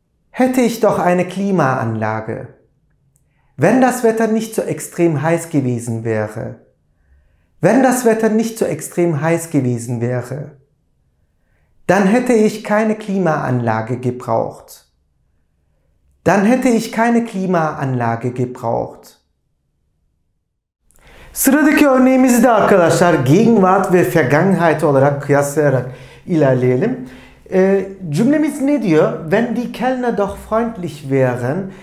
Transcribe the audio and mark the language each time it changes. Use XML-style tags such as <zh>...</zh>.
<de>Hätte ich doch eine Klimaanlage. Wenn das Wetter nicht so extrem heiß gewesen wäre. Wenn das Wetter nicht so extrem heiß gewesen wäre, dann hätte ich keine Klimaanlage gebraucht. Dann hätte ich keine Klimaanlage gebraucht.</de> <tr>Sıradaki örneğimizi de arkadaşlar gegenwart ve Vergangenheit olarak kıyaslayarak ilerleyelim. Cümlemiz ne diyor?</tr> <de>Wenn die Kellner doch freundlich wären.</de>